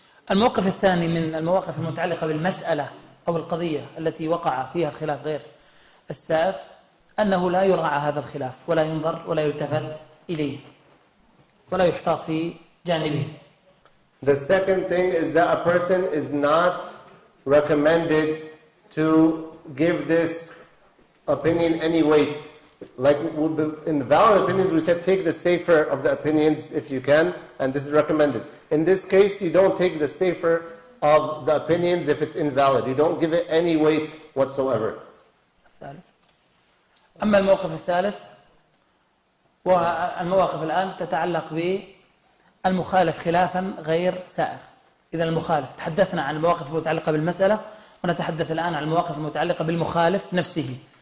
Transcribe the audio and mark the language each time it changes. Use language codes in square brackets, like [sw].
[ar] الموقف الثاني من المواقف المتعلقة بالمسألة أو القضية التي وقع فيها الخلاف غير السائغ أنه لا يراعى هذا الخلاف ولا ينظر ولا يلتفت إليه ولا يحتاط في جانبه. [en] The second thing is that a person is not recommended to give this opinion any weight. Like in valid opinions, we said take the safer of the opinions if you can, and this is recommended. In this case, you don't take the safer of the opinions if it's invalid. You don't give it any weight whatsoever. [ar] أما الموقف الثالث والمواقف الآن تتعلق بالمخالف خلافا غير سائر. إذا المخالف تحدثنا عن المواقف المتعلقة بالمسألة ونتحدث الآن عن المواقف المتعلقة بالمخالف نفسه.